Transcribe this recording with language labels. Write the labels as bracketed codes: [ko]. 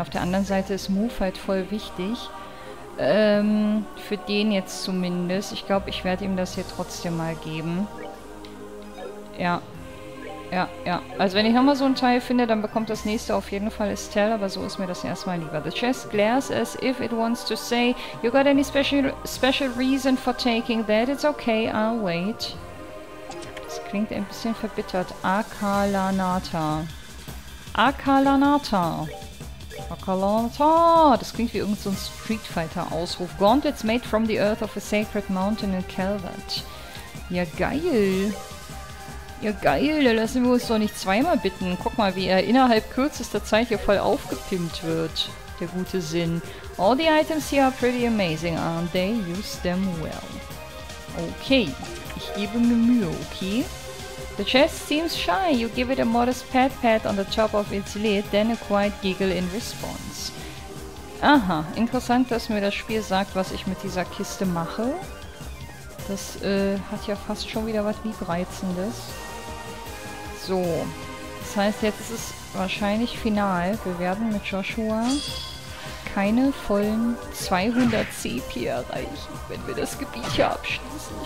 [de] Auf der anderen Seite ist Move halt voll wichtig. Für den jetzt zumindest. Ich glaube, ich werde ihm das hier trotzdem mal geben. Ja. Ja. Also wenn ich nochmal so ein Teil finde, dann bekommt das nächste auf jeden Fall Estelle, aber so ist mir das erstmal lieber. [en] The chest glares as if it wants to say, you got any special reason for taking that? It's okay, I'll wait. [de] Das klingt ein bisschen verbittert. Akalanata. Akalanata. Akalanata. Das klingt wie irgendein Street Fighter-Ausruf. [en] Gauntlets made from the earth of a sacred mountain in Calvert. [de] Ja, geil. Ja, geil, da lassen wir uns doch nicht zweimal bitten. Guck mal, wie er innerhalb kürzester Zeit hier voll aufgepimpt wird. Der gute Sinn. [en] All the items here are pretty amazing, aren't they? Use them well. [de] Okay, ich gebe mir Mühe, okay? [en] The chest seems shy. You give it a modest pat-pat on the top of its lid, then a quiet giggle in response. [de] Aha, interessant, dass mir das Spiel sagt, was ich mit dieser Kiste mache. Das hat ja fast schon wieder was Liebreizendes. So. Das heißt, jetzt ist es wahrscheinlich final. Wir werden mit Joshua keine vollen 200 CP erreichen, wenn wir das Gebiet hier abschließen.